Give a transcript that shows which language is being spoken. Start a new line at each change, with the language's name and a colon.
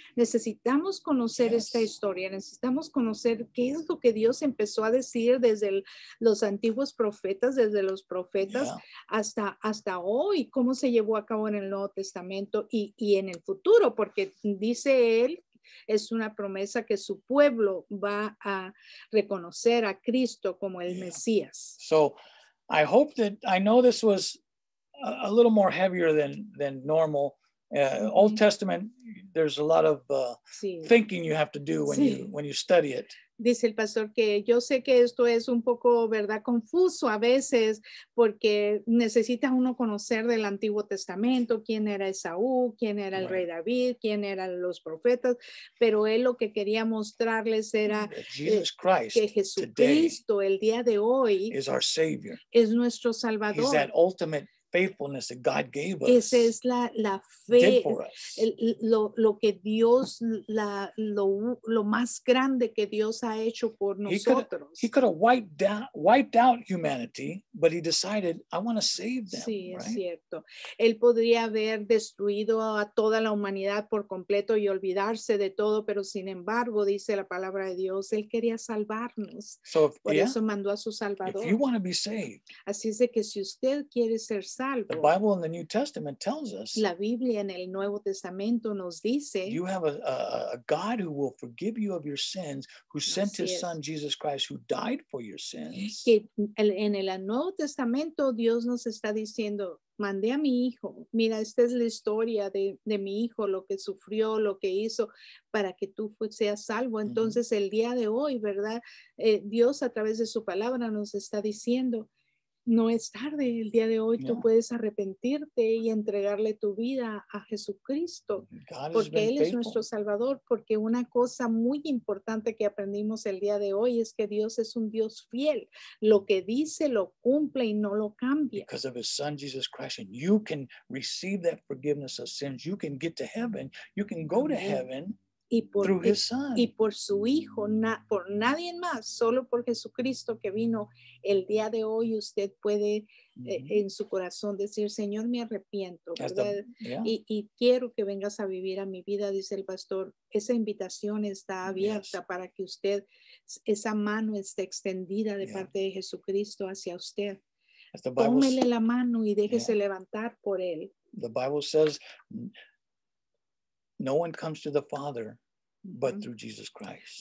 Spanish: Necesitamos conocer esta historia, necesitamos conocer qué es lo que Dios empezó a decir desde los antiguos profetas, desde los profetas hasta hoy, cómo se llevó a cabo en el Nuevo Testamento y en el futuro, porque dice él, es una promesa que su pueblo va a reconocer a Cristo como el Mesías.
English: So I hope that, I know this was a little more heavier than normal. Old Testament, there's a lot of thinking you have to do when you study it.
Spanish: Dice el pastor que yo sé que esto es un poco, ¿verdad?, confuso a veces porque necesita uno conocer del Antiguo Testamento, quién era Esaú, quién era el rey David, quién eran los profetas, pero él lo que quería mostrarles era que Jesucristo el día de hoy es nuestro Salvador.
English: Faithfulness that God gave us.
Spanish: Esa es la fe.
English: Did for us.
Spanish: Lo que Dios, lo más grande que Dios ha hecho por nosotros.
English: He could have wiped out humanity, but he decided, I want to save them.
Spanish: Sí,
English: right?
Spanish: Es cierto. Él podría haber destruido a toda la humanidad por completo y olvidarse de todo, pero sin embargo, dice la palabra de Dios, él quería salvarnos.
English: So if,
Spanish: por
English: yeah,
Spanish: eso mandó a su Salvador.
English: If you want to be saved.
Spanish: Así es de que si usted quiere ser salvo.
English: The Bible in the New Testament tells us.
Spanish: La Biblia en el Nuevo Testamento nos dice.
English: You have a God who will forgive you of your sins, who sent his son Jesus Christ, who died for your sins.
Spanish: Que en el Nuevo Testamento Dios nos está diciendo, mandé a mi hijo. Mira, esta es la historia de mi hijo, lo que sufrió, lo que hizo para que tú seas salvo. Entonces el día de hoy, ¿verdad? Dios a través de su palabra nos está diciendo, No es tarde. El día de hoy tú puedes arrepentirte y entregarle tu vida a Jesucristo, porque Él es nuestro Salvador. Porque una cosa muy importante que aprendimos el día de hoy es que Dios es un Dios fiel. Lo que dice lo cumple y no lo cambia.
English: Because of His Son Jesus Christ, and you can receive that forgiveness of sins. You can get to heaven. You can go to heaven.
Spanish: Y por su hijo, por nadie más, solo por Jesucristo que vino el día de hoy, usted puede en su corazón decir: Señor, me arrepiento, ¿verdad? Y quiero que vengas a vivir a mi vida, dice el pastor. Esa invitación está abierta para que usted, esa mano esté extendida de parte de Jesucristo hacia usted. Tómele la mano y déjese levantar por él.
English: The Bible says, no one comes to the Father but through Jesus Christ.